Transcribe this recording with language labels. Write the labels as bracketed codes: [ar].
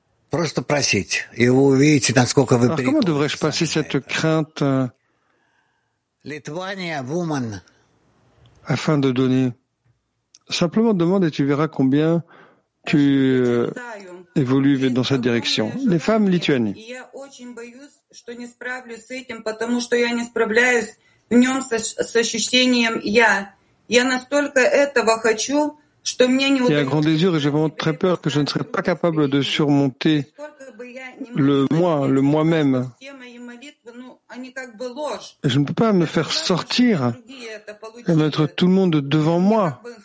[ru] Просто просить, и вы увидите, насколько вы переполнены. [fr] Comment devrais-je passer cette crainte? [en] Lithuania woman. [fr] Afin de donner. Simplement demande et tu verras combien tu évolues dans cette direction. Les femmes lituaniennes. [ru] Я очень боюсь, что не справлюсь с этим, потому что я не справляюсь в нем с ощущением я. Я настолько этого хочу. [fr] Il y a un grand désir et j'ai vraiment très peur que je ne serais pas capable de surmonter le moi-même. Et je ne peux pas me faire sortir et mettre tout le monde devant moi.